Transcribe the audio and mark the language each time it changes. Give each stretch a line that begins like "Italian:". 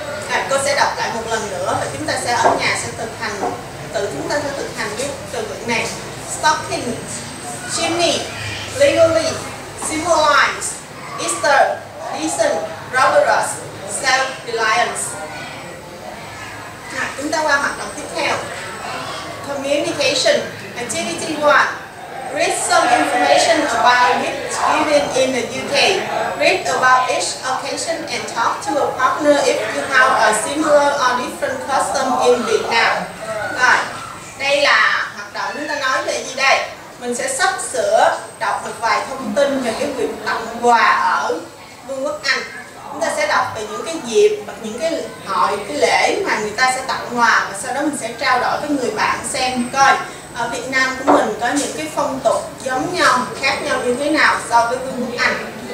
Vietnamese: À, cô sẽ đọc lại một lần nữa và chúng ta sẽ ở nhà sẽ thực hành, tự chúng ta sẽ thực hành cái từ vựng này.
English: Stocking, Chimney, Legally, Symbolize, Easter, Decent, Robberous, Self-Reliance. À, chúng ta qua hoạt động tiếp theo. Communication, Activity 1. Read some information about gifts given in the UK. Read about each occasion and talk to a partner if you have a similar or different custom in Vietnam.
Vietnamese: Rồi, đây là hoạt động chúng ta nói về gì đây? Mình sẽ sắp sửa đọc một vài thông tin về cái việc tặng quà ở Vương quốc Anh. Chúng ta sẽ đọc về những cái dịp, những cái hội, cái lễ mà người ta sẽ tặng quà và sau đó mình sẽ trao đổi với người bạn xem coi ở Việt Nam của mình có những cái phong tục giống nhau, khác nhau như thế nào so với Vương quốc Anh.